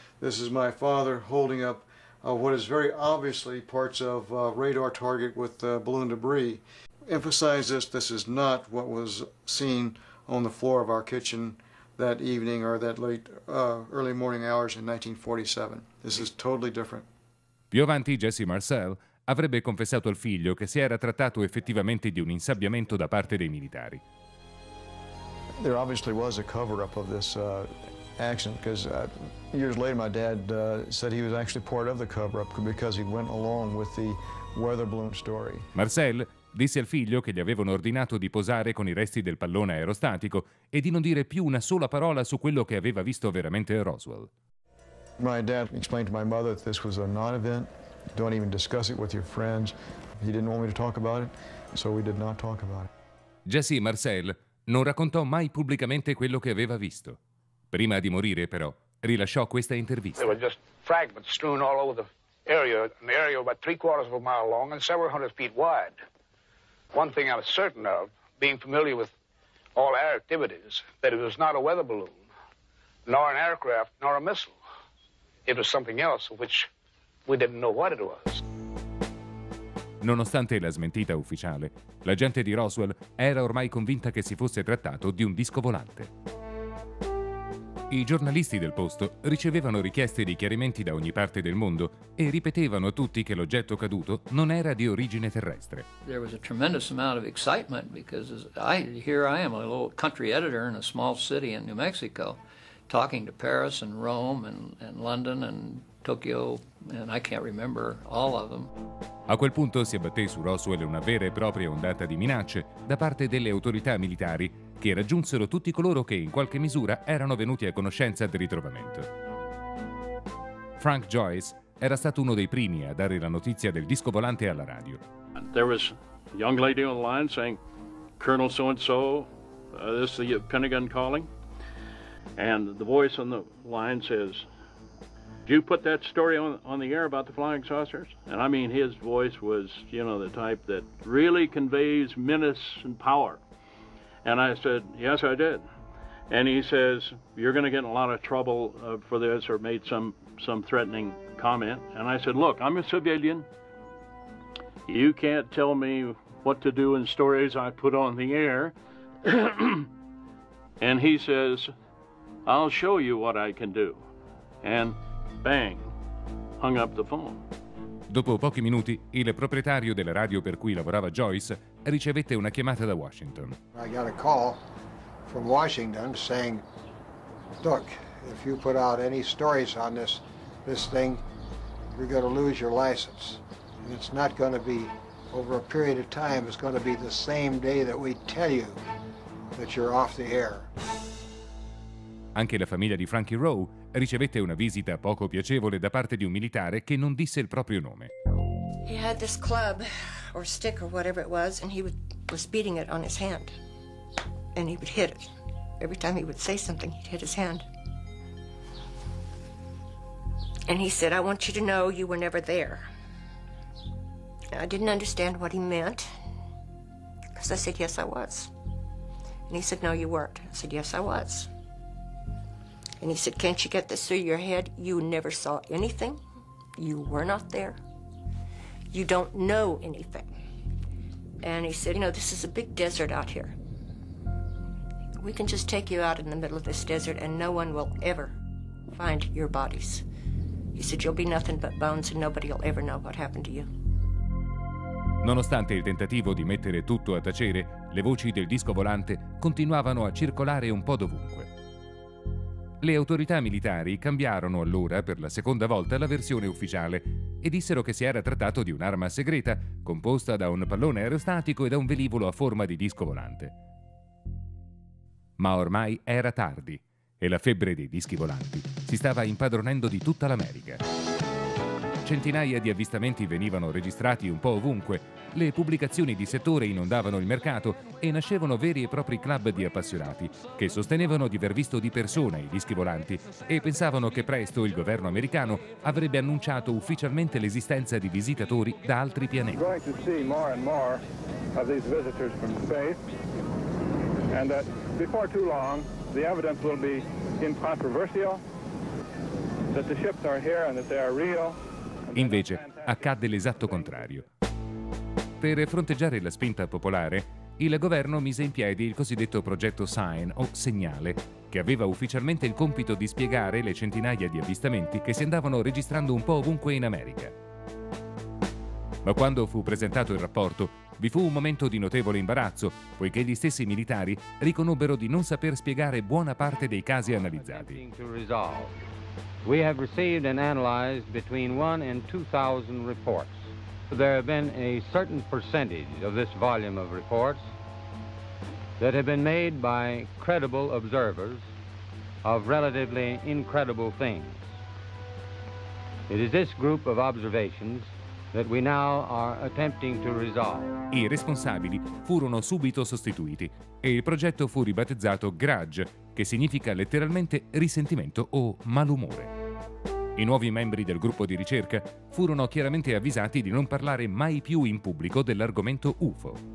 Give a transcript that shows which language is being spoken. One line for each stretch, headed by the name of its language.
English: This is my father holding up what is very obviously parts of a radar target with balloon debris. Emphasize this is not what was seen on the floor of our kitchen that evening or that late early morning hours in 1947. This is totally different.
Italian: Più avanti, Jesse Marcel avrebbe confessato al figlio che si era trattato effettivamente di un insabbiamento da parte dei militari.
English: There obviously was a cover-up of this accident, because years later my dad said he was actually part of the cover-up because he went along with the weather balloon story.
Italian: Marcel disse al figlio che gli avevano ordinato di posare con i resti del pallone aerostatico e di non dire più una sola parola su quello che aveva visto veramente a Roswell.
English: My dad explained to my mother that this was a non-event. Don't even discuss it with your friends. He didn't want me to talk about it, so we did not talk about it.
Italian: Jesse Marcel non raccontò mai pubblicamente quello che aveva visto. Prima di morire, però, rilasciò questa intervista.
English: There were just fragments strewn all over the area, an area about 3/4 mile long and several hundred feet wide. One thing I was certain of, being familiar with all air activities, that it was not a weather balloon, nor an aircraft, nor a missile. It was something else which we didn't know what it was.
Italian: Nonostante la smentita ufficiale, l'agente di Roswell era ormai convinta che si fosse trattato di un disco volante. I giornalisti del posto ricevevano richieste di chiarimenti da ogni parte del mondo e ripetevano a tutti che l'oggetto caduto non era di origine terrestre.
English: There was a tremendous amount of excitement because here I am, a little country editor in a small city in New Mexico, talking to Paris and Rome and London and Tokyo, and I can't remember all of them.
Italian: A quel punto si abbatté su Roswell una vera e propria ondata di minacce da parte delle autorità militari, che raggiunsero tutti coloro che in qualche misura erano venuti a conoscenza del ritrovamento. Frank Joyce era stato uno dei primi a dare la notizia del disco volante alla radio.
English: There was a young lady on the line saying, Colonel so-and-so, this is the Pentagon calling. And the voice on the line says, did you put that story on the air about the flying saucers? And I mean, his voice was, you know, the type that really conveys menace and power. And I said, yes, I did. And he says, you're going to get in a lot of trouble for this, or made some threatening comment. And I said, look, I'm a civilian. You can't tell me what to do in stories I put on the air. And he says, I'll show you what I can do. And bang, hung up the phone.
Italian: Dopo pochi minuti, il proprietario della radio per cui lavorava Joyce ricevette una chiamata da Washington.
English: I got a call from Washington saying, look, if you put out any stories on this thing, you're going to lose your license. And it's not going to be over a period of time. It's going to be the same day that we tell you that you're off the air.
Italian: Anche la famiglia di Frankie Rowe ricevette una visita poco piacevole da parte di un militare che non disse il proprio nome.
English: He had this club or stick or whatever it was, and he was beating it on his hand. And he would hit it. Every time he would say something, he'd hit his hand. And he said, I want you to know you were never there. And I didn't understand what he meant, because I said, yes, I was. And he said, no, you weren't. I said, yes, I was. And he said, can't you get this through your head? You never saw anything. You were not there. You don't know anything. And he said, you know, this is a big desert out here. We can just take you out in the middle of this desert and no one will ever find your bodies. He said, you'll be nothing but bones and nobody will ever know what happened to you.
Italian: Nonostante il tentativo di mettere tutto a tacere, le voci del disco volante continuavano a circolare un po' dovunque. Le autorità militari cambiarono allora per la seconda volta la versione ufficiale e dissero che si era trattato di un'arma segreta composta da un pallone aerostatico e da un velivolo a forma di disco volante. Ma ormai era tardi e la febbre dei dischi volanti si stava impadronendo di tutta l'America. Centinaia di avvistamenti venivano registrati un po' ovunque, le pubblicazioni di settore inondavano il mercato e nascevano veri e propri club di appassionati che sostenevano di aver visto di persona i dischi volanti e pensavano che presto il governo americano avrebbe annunciato ufficialmente l'esistenza di visitatori da altri pianeti.
English: We're going to see more and more of these visitors from space, and that before too long the evidence will be incontrovertible. that the ships are here and that they are real.
Italian: Invece, accadde l'esatto contrario. Per fronteggiare la spinta popolare, il governo mise in piedi il cosiddetto progetto Sign, o segnale, che aveva ufficialmente il compito di spiegare le centinaia di avvistamenti che si andavano registrando un po' ovunque in America. Ma quando fu presentato il rapporto, vi fu un momento di notevole imbarazzo, poiché gli stessi militari riconobbero di non saper spiegare buona parte dei casi analizzati.
English: We have received and analyzed between 1,000 and 2,000 reports. There have been a certain percentage of this volume of reports that have been made by credible observers of relatively incredible things. It is this group of observations that we now are attempting to resolve.
Italian: I responsabili furono subito sostituiti e il progetto fu ribattezzato Grudge, che significa letteralmente risentimento o malumore. I nuovi membri del gruppo di ricerca furono chiaramente avvisati di non parlare mai più in pubblico dell'argomento UFO.